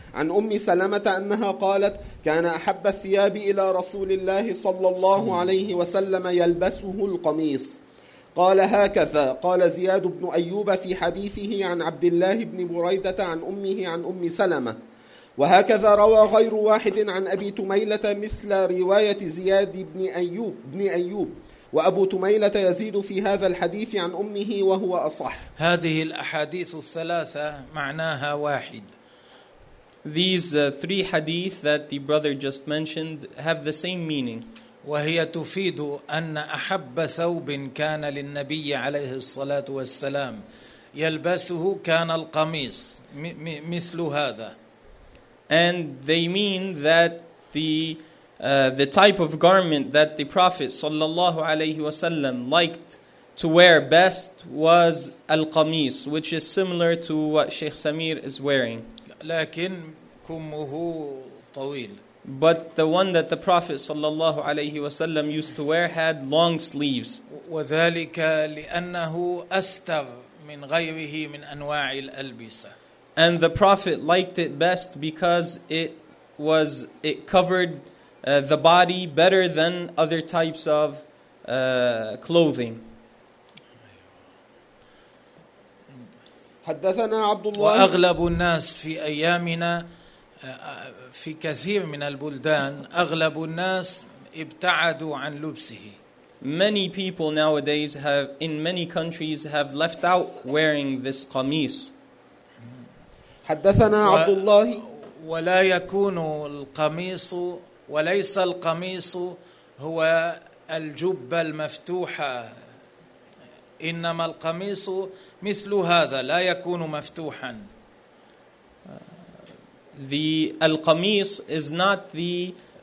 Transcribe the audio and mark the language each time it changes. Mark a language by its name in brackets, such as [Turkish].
[Arabic] أم سلمة أنها قالت كان أحب الثياب إلى رسول الله صلى الله عليه وسلم يلبسه القميص قال هكذا قال زياد بن أيوب في حديثه عن عبد الله بن بريدة عن أمه عن أم سلمة وهكذا روى غير واحد عن أبي تميلة مثل رواية زياد بن أيوب وأبو تميلة يزيد في هذا الحديث عن أمه وهو أصح. هذه الأحاديث الثلاثة معناها واحد. [English] These three hadith that the brother just mentioned have the same meaning. [Arabic] وهي تفيد أن أحب ثوب كان للنبي عليه الصلاة والسلام يلبسه كان القميص مثل هذا. [English] And they mean that the type of garment that the Prophet sallallahu alayhi wasallam liked to wear best was al-qamis, which is similar to what Sheikh Samir is wearing. [Arabic] لكن كمه طويل. [English] But the one that the Prophet sallallahu alayhi wasallam used to wear had long sleeves. [Arabic] وذلك لأنه أستر من غيره من أنواع الألبسة. [English] And the Prophet liked it best because it covered the body better than other types of clothing. [Arabic] حدثنا عبد الله. وأغلب الناس في أيامنا في كثير من البلدان أغلب الناس ابتعدوا عن لبسه. [English] Many people nowadays have in many countries have left out wearing this qamis. [Arabic] حدثنا عبد الله. ولا يكون القميص وليس القميص هو الجبة المفتوحة إنما القميص مثل هذا لا يكون مفتوحا. [English] The القميص is not the